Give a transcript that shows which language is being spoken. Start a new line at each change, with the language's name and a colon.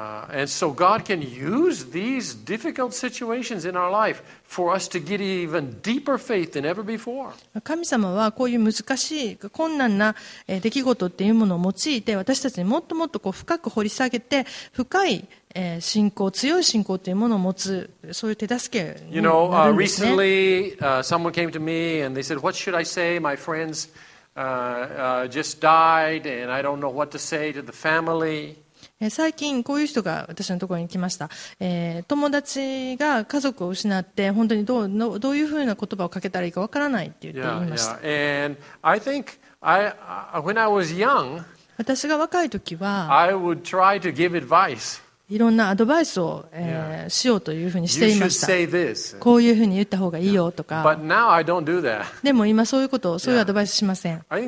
English: And so God can use these difficult situations in our life for us to get even deeper faith than ever before.
Japanese: 神様はこういう難しい困難な出来事っていうものを用いて私たちにもっともっとこう深く掘り下げて深い信仰、強い信仰というものを持つ、そういう手助けになるんですね。
English: You know, recently, someone came to me and they said, "What should I say? My friends just died, and I don't know what to say to the family."
Japanese: 最近こういう人が私のところに来ました。友達が家族を失って本当にどういうふうな言葉をかけたらいいかわからないって言っていました。
English: Yeah, yeah. And I think I when I was young,
Japanese: 私が若い時は、
English: I would try to give advice.
Japanese: いろんなアドバイスを、しようというふうにしていました。こういうふうに言った方がいいよとか。でも今そういうことを、そういうアドバイスしません。